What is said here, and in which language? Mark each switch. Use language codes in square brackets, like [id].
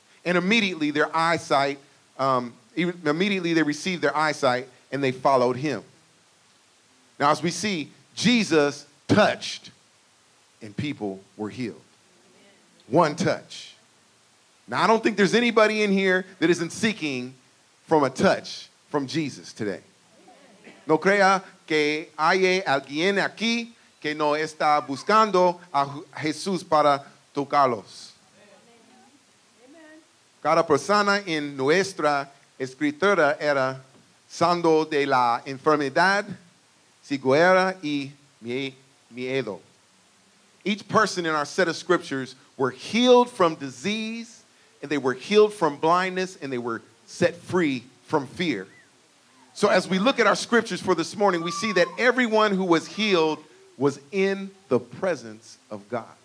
[en] And immediately their eyesight, immediately they received their eyesight and they followed him." Now, as we see, Jesus touched and people were healed. One touch. Now, I don't think there's anybody in here that isn't seeking from a touch from Jesus today. [es] No crea que haya alguien aquí que no está buscando a Jesús para tocarlos. Cada persona en nuestra escritura era sano de la enfermedad, ceguera y miedo. [en] Each person in our set of scriptures were healed from disease, and they were healed from blindness, and they were set free from fear. So as we look at our scriptures for this morning, we see that everyone who was healed was in the presence of God.